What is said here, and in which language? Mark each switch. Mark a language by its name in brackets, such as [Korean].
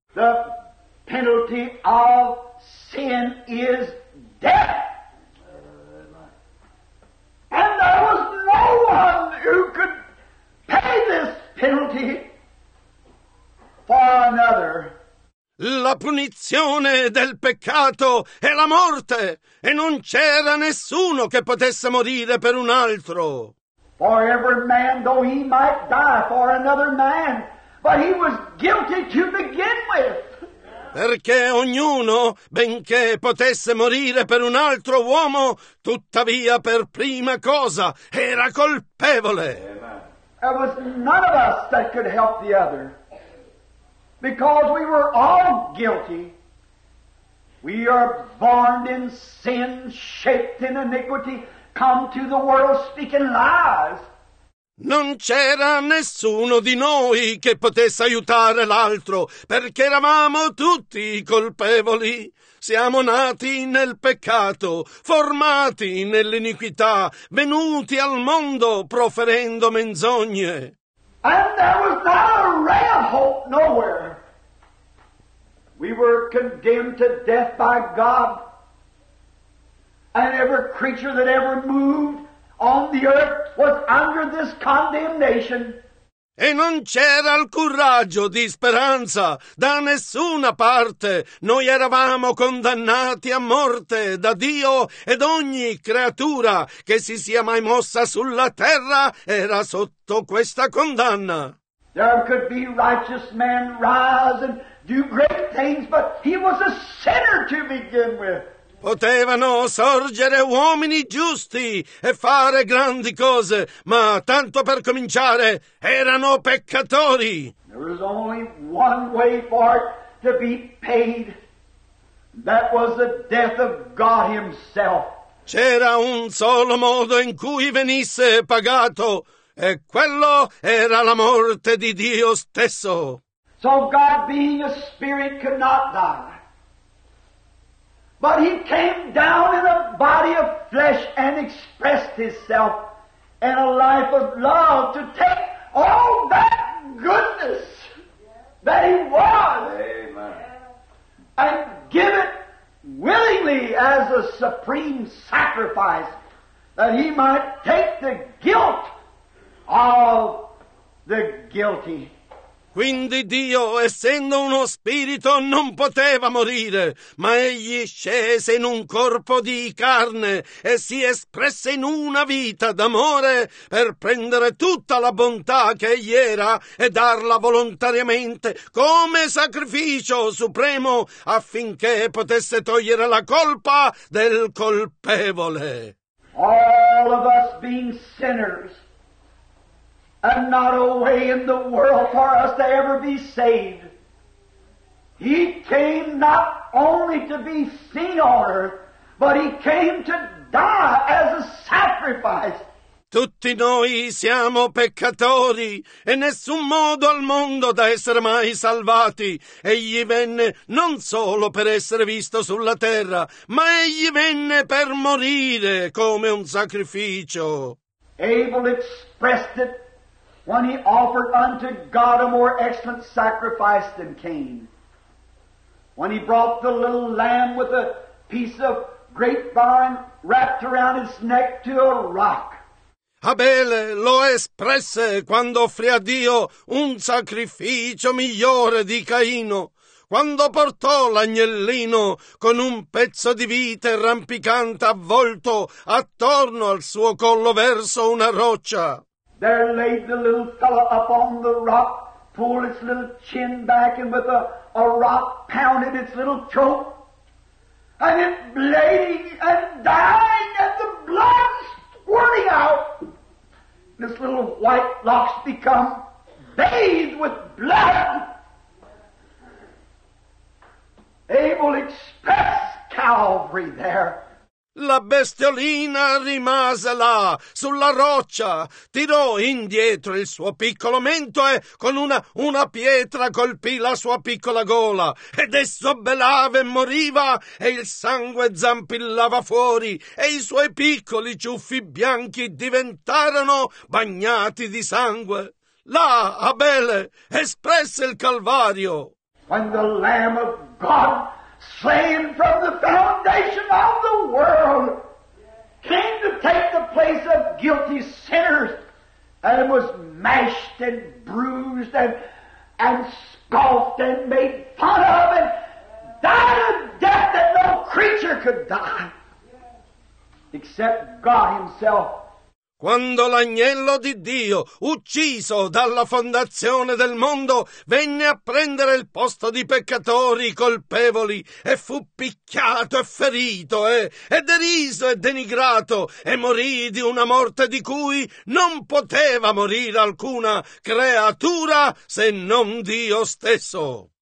[English] The penalty of sin is death. And there was no one who could pay this penalty for another. [Italian] La punizione del peccato è la morte, e non c'era nessuno che potesse morire per un altro. [English] For every man, though he might die for another man, but he was guilty to begin with. [Italian] Perché ognuno, benché potesse morire per un altro uomo, tuttavia per prima cosa era colpevole. [English] There was none of us that could help the other. Because we were all guilty. We are born in sin, shaped in iniquity, come to the world speaking lies. [Italian] Non c'era nessuno di noi che potesse aiutare l'altro, perché eravamo tutti colpevoli. Siamo nati nel peccato, formati nell'iniquità, venuti al mondo proferendo menzogne. [English] And there was not a ray of hope nowhere. We were condemned to death by God, and every creature that ever moved on the earth was under this condemnation. [Italian] E non c'era alcun raggio di speranza da nessuna parte. Noi eravamo condannati a morte da Dio, ed ogni creatura che si sia mai mossa sulla terra era sotto questa condanna. [English] There could be righteous men rise and do great things, but he was a sinner to begin with. [Italian] Potevano sorgere uomini giusti e fare grandi cose, ma tanto per cominciare erano peccatori. [English] There was only one way for it to be paid. That was the death of God himself. [Italian] C'era un solo modo in cui venisse pagato, e quello era la morte di Dio stesso. [English] So God, being a spirit, could not die. But he came down in a body of flesh and expressed himself in a life of love to take all that goodness that he was. Amen. And give it willingly as a supreme sacrifice, that he might take the guilt of the guilty. [Italian] Quindi Dio, essendo uno spirito, non poteva morire, ma egli scese in un corpo di carne e si espresse in una vita d'amore per prendere tutta la bontà che egli era e darla volontariamente come sacrificio supremo affinché potesse togliere la colpa del colpevole. [English] All of us being sinners. And not a way in the world for us to ever be saved. He came not only to be seen on earth, but he came to die as a sacrifice. [Italian] Tutti noi siamo peccatori, e nessun modo al mondo da essere mai salvati. Egli venne non solo per essere visto sulla terra, ma egli venne per morire come un sacrificio. [English] Abel expressed it when he offered unto God a more excellent sacrifice than Cain. When he brought the little lamb with a piece of grapevine wrapped around his neck to a rock. [Italian] Abele lo espresse quando offrì a Dio un sacrificio migliore di Caino, quando portò l'agnellino con un pezzo di vite rampicante avvolto attorno al suo collo verso una roccia. [English] There laid the little fellow up on the rock, pulled its little chin back, and with a rock pounded its little throat, and it bleeding and dying, and the blood squirting out. This little white locks become bathed with blood. Abel expressed Calvary there. [Italian] La bestiolina rimase là, sulla roccia, tirò indietro il suo piccolo mento e con una pietra colpì la sua piccola gola. Ed esso belava e moriva, e il sangue zampillava fuori, e i suoi piccoli ciuffi bianchi diventarono bagnati di sangue. Là, Abele, espresse il Calvario. [English] When the Lamb of God slain from the foundation of the world, came to take the place of guilty sinners, and was mashed and bruised and scoffed and made fun of and died a death that no creature could die, except God himself. [Italian] Quando l'agnello di Dio, ucciso dalla fondazione del mondo, venne a prendere il posto di peccatori colpevoli e fu picchiato e ferito e deriso e denigrato e morì di una morte di cui non poteva morire alcuna creatura se non Dio stesso.